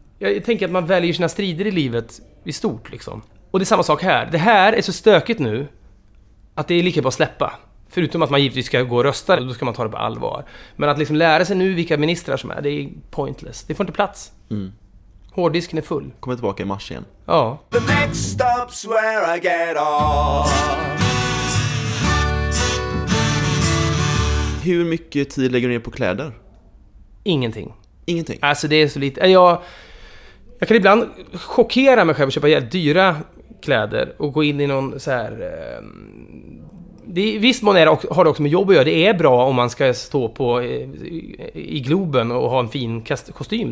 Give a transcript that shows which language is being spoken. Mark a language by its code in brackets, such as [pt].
[sv] Jag tänker att man väljer sina strider i livet i stort, liksom. Och det är samma sak här. Det här är så stökigt nu att det är lika bra att släppa. Förutom att man givetvis ska gå och rösta, då ska man ta det på allvar. Men att liksom lära sig nu vilka ministrar som är, det är pointless. Det får inte plats. Mm. Hårddisken är full. Kommer tillbaka i mars igen. Ja. [en] The next stop's where I get off. [sv] Hur mycket tid lägger du ner på kläder? Ingenting. Ingenting? Alltså det är så lite... Jag kan ibland chockera mig själv och köpa jävligt dyra kläder och gå in i någon så här... Det är, visst man är, har det också med jobb att göra. Det är bra om man ska stå på i Globen och ha en fin kostym.